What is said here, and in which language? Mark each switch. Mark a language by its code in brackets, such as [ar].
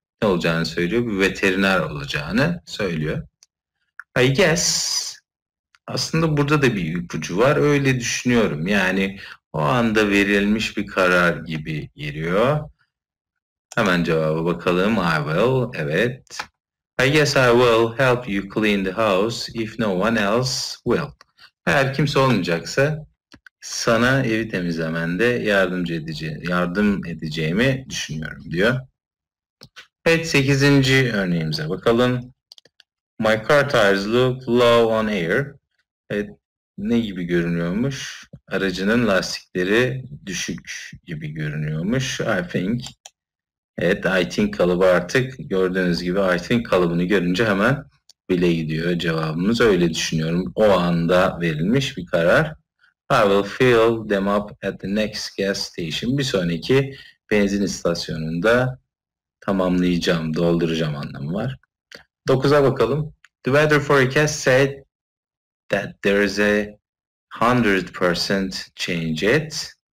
[tr] Ne olacağını söylüyor. Bir veteriner olacağını söylüyor. [en] I guess [tr] Aslında burada da bir ipucu var. Öyle düşünüyorum. Yani o anda verilmiş bir karar gibi geliyor. Hemen cevaba bakalım. [en] I will. [tr] Evet. [en] I guess I will help you clean the house if no one else will. [tr] Eğer kimse olmayacaksa sana evi temizlemende yardım edeceğimi düşünüyorum diyor. Evet, 8. örneğimize bakalım. [en] My car tires look low on air. [tr] Evet, ne gibi görünüyormuş? Aracının lastikleri düşük gibi görünüyormuş. [en] I think. [tr] Evet, [en] I think [tr] kalıbı artık gördüğünüz gibi I think kalıbını görünce hemen bile gidiyor cevabımız. Öyle düşünüyorum. O anda verilmiş bir karar. [en] I will fill them up at the next gas station. [tr] Bir sonraki benzin istasyonunda tamamlayacağım, dolduracağım anlamı var. 9'a bakalım. [en] The weather forecast said that there is a 100% change yet.